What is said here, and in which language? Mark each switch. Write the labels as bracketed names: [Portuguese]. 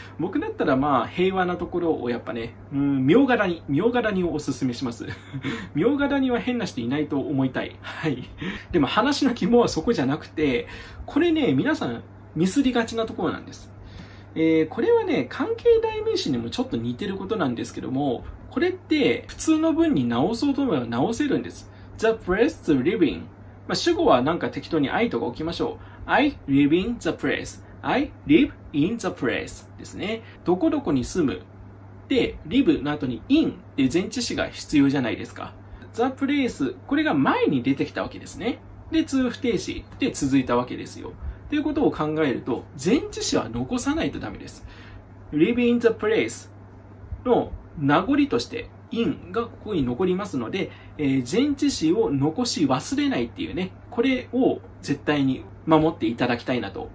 [Japanese] 僕だったらまあ平和なところをやっぱね、茗荷谷、茗荷谷をおすすめします茗荷谷には変な人いないと思いたい、はい、でも話の肝はそこじゃなくて、これね皆さんミスりがちなところなんです。これはね関係代名詞にもちょっと似てることなんですけども、これって普通の文に直そうと思えば直せるんです。 [English] The place to live in、 [Japanese] まあ、主語はなんか適当に I とか置きましょう。 [English] I live in the place. I live in the place [Japanese] ですね。どこどこに住む。で、live の後に in で前置詞が必要じゃないですか。 the place、これが前に出てきたわけですね。で、通不定詞で続いたわけですよ。ということを考えると、前置詞は残さないとダメです。 [English] live in the place [Japanese] の名残として、in がここに残りますので、前置詞を残し忘れないっていうね、これを絶対に守っていただきたいなと。